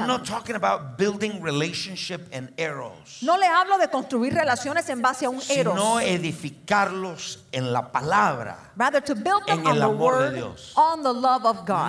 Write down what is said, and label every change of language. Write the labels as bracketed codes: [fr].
[en] I'm not talking about building relationship and eros. [es] No le hablo de construir relaciones en base a un eros. Sino edificarlos en la palabra. [en] Rather to build them on the word, on the love of God.